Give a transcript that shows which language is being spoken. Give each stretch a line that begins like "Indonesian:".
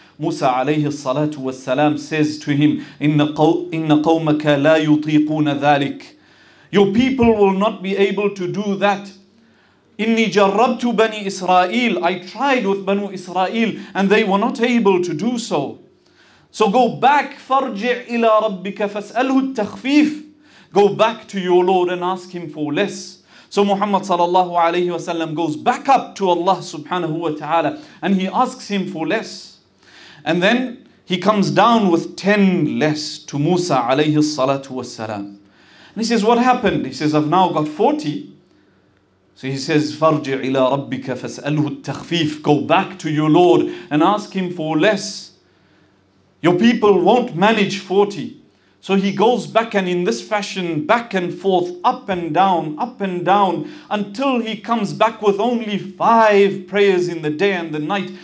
English: Musa alayhi salatu wa salam says to him,
Arabic: إِنَّ قَوْمَكَ لَا يُطِيقُونَ ذَلِكَ.
English: Your people will not be able to do that.
Arabic: إِنِّي جَرَّبْتُ بَنِي إِسْرَائِيلَ.
English: I tried with Banu Israel and they were not able to do so. So go back,
Arabic: فَرْجِعْ إِلَىٰ رَبِّكَ فَاسْأَلْهُ التَّخْفِيفِ.
English: Go back to your Lord and ask Him for less. So Muhammad sallallahu alayhi wa sallam goes back up to Allah subhanahu wa ta'ala and he asks Him for less. And then he comes down with 10 less to Musa alayhi salatu wa salam. And he says, what happened? He says, I've now got 40. So he says,
Arabic: فَرْجِعْ إِلَىٰ رَبِّكَ فَاسْأَلْهُ التَّخْفِيفِ.
English: Go back to your Lord and ask Him for less. Your people won't manage 40. So he goes back and in this fashion, back and forth, up and down, until he comes back with only 5 prayers in the day and the night.